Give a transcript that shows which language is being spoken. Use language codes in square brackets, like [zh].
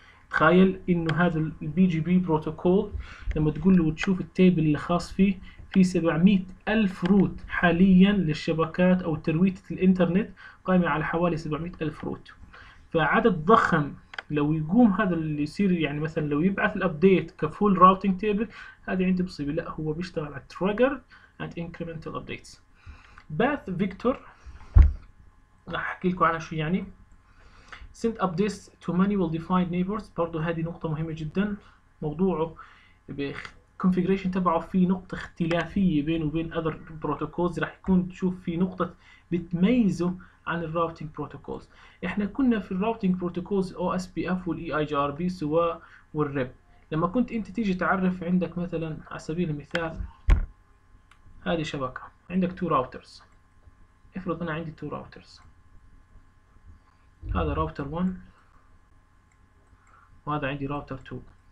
[ar] تخيل انه هذا البي جي بي بروتوكول لما تقول له وتشوف التيبل اللي خاص فيه، في 700,000 روت حاليا للشبكات او ترويتة الانترنت قائمه على حوالي 700,000 روت. فعدد ضخم لو يقوم هذا اللي يصير، يعني مثلا لو يبعث الابديت كفول راوتينج تيبل، هذه عندي مصيبه. لا، هو بيشتغل على تريجر and incremental updates. Bath Victor راح احكي لكم عنها شو يعني. [en] Send updates to manual defined neighbors، برضه هذه نقطة مهمة جدا. [ar] موضوعه بالconfiguration تبعه في نقطة اختلافية بينه وبين other protocols، راح يكون تشوف في نقطة بتميزه عن الراوتينج بروتوكولز. احنا كنا في الراوتينج بروتوكولز او اس بي اف والاي اي جي ار بي سواء والريب، لما كنت انت تيجي تعرف عندك مثلا على سبيل المثال هذه شبكة، عندك تو راوترز، افرض انا عندي تو راوترز، هذا راوتر 1 وهذا عندي راوتر 2.